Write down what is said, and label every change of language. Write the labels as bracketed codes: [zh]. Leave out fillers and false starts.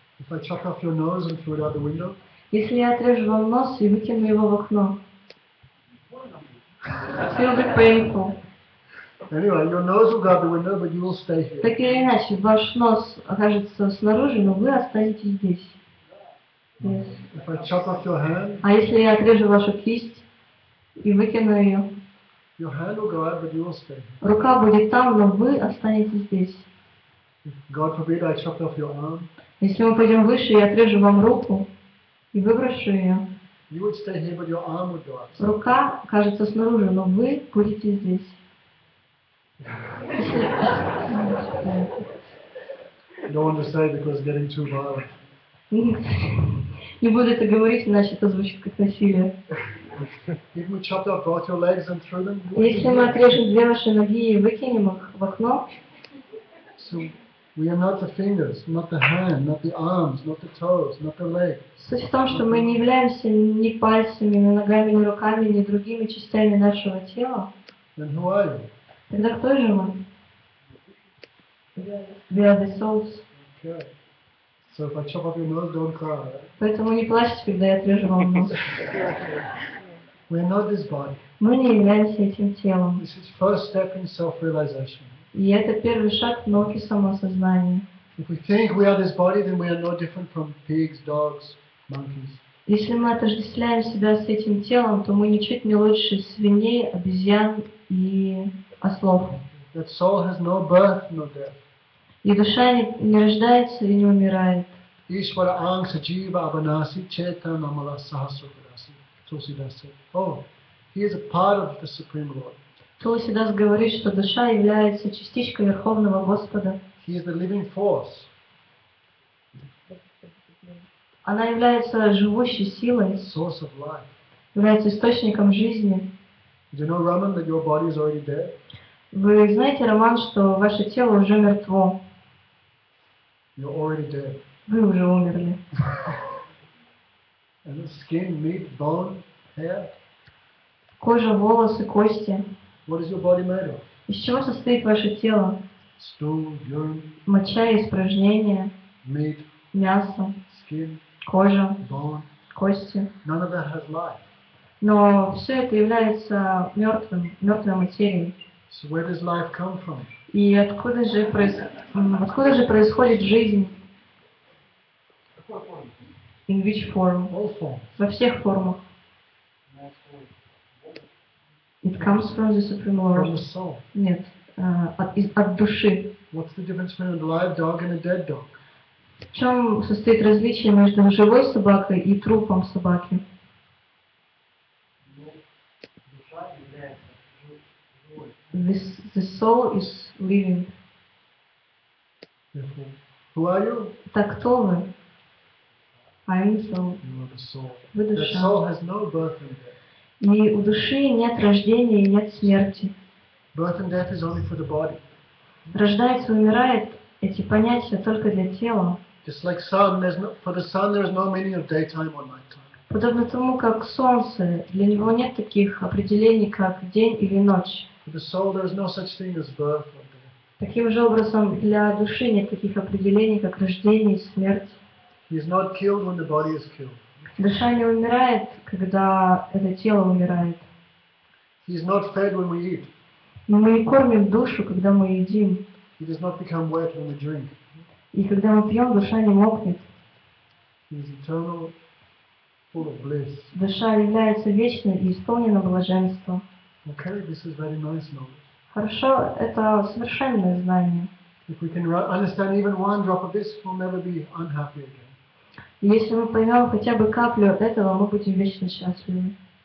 [en] If I chop off your nose and throw it out the window? [ru] Если я отрежу вам нос и выкину его в окно. [en] Feel the painful. Anyway, your nose will go out the window, but you will stay here. [ru] Так или иначе, ваш нос окажется снаружи, но вы останетесь здесь. [en] Yes. If I chop off your hand, [ru] а если я отрежу вашу кисть и выкину ее, [en] your hand will go out, but you will stay here. [ru] Рука будет там, но вы останетесь здесь. [en] If God forbid, I chop off your arm, [ru] если мы пойдем выше, я отрежу вам руку и выброшу ее, [en] you would stay here, but your arm would go out. [ru] Рука окажется снаружи, но вы будете здесь. [en] Don't want to say because it's getting too violent. [ru] Не буду это говорить, иначе это звучит как насилие. [en] If we chop off both your legs and throw them, [ru] если мы отрежем две ваши ноги и выкинем их в окно, [en] so we are not the fingers, not the hand, not the arms, not the toes, not the leg. [ru] Суть в том, что мы не являемся ни пальцами, ни ногами, ни руками, ни другими частями нашего тела. [en] Then who are you? [ru] Тогда кто же мы? [en] We are the souls. Okay. So if I chop off your nose, don't cry. [ru] Поэтому не плачьте, когда я отрежу вам нос. [en] We are not this body. [ru] Мы не являемся этим телом. [en] This is first step in self-realization. [ru] И это первый шаг в науке самосознания. [en] If we think we are this body, then we are no different from pigs, dogs, monkeys. [ru] Если мы отождествляем себя с этим телом, то мы ничуть не лучше свиней, обезьян и ослов. [en] That soul has no birth, no death. [ru] И душа не рождается и не умирает. [sa] Ishvara angsa jiva abhinasi chetan amala sahasrabhinasi. [en] Tulsidas said, oh, he is a part of the Supreme Lord. [ru] Tulsidas говорит, что душа является частичкой Верховного Господа. [en] He is the living force. [ru] Она является живущей силой. [en] Source of life. [ru] Является источником жизни. [en] Do you know, Raman, that your body is already dead? [ru] Вы знаете, Роман, что ваше тело уже мертво. [en] You're already dead. [ru] Вы уже умерли. [en] And the skin, meat, bone, hair. [ru] Кожа, волосы, кости. [en] What is your body made of? [ru] Из чего состоит ваше тело? [en] Stool, urine. [ru] Моча и испражнения. [en] Meat. [ru] Мясо. [en] Skin. [ru] Кожа. [en] Bone. [ru] Кости. [en] None of that has life. [ru] Но все это является мертвым, мертвой материей. [en] So where does life come from? [ru] И откуда же происходит жизнь? [en] In which form? All forms. [ru] Во всех формах. [en] It comes from the Supreme Lord. From the soul. [ru] Нет, от души. [en] What's the difference between a live dog and a dead dog? [ru] В чем состоит различие между живой собакой и трупом собаки? [en] This the soul is living. Who are you? [ru] Так кто вы? [en] I'm the soul. You are the soul. [ru] Вы душа. [en] The soul has no birth and death. [ru] И у души нет рождения и нет смерти. [en] Birth and death is only for the body. [ru] Рождается, умирает эти понятия только для тела. [en] Just like sun, there's no for the sun there's no meaning of daytime or nighttime. [ru] Подобно тому, как солнце, для него нет таких определений, как день или ночь. [en] For the soul, there is no such thing as birth or death. [ru] Таким же образом, для души нет таких определений, как рождение и смерть. [en] He is not killed when the body is killed. [ru] Душа не умирает, когда это тело умирает. [en] He is not fed when we eat. [ru] Но мы кормим душу, когда мы едим. [en] He does not become wet when we drink. [ru] И когда мы пьем, душа не мокнет. [en] He is eternal, full of bliss. [ru] Душа является вечной и исполнена блаженства. [en] Okay, this is very nice knowledge. [ru] Хорошо, это совершенное знание. [en] If we can understand even one drop of this, we'll never be unhappy again. [ru] Если мы поймем хотя бы каплю этого, мы будем вечно счастливы.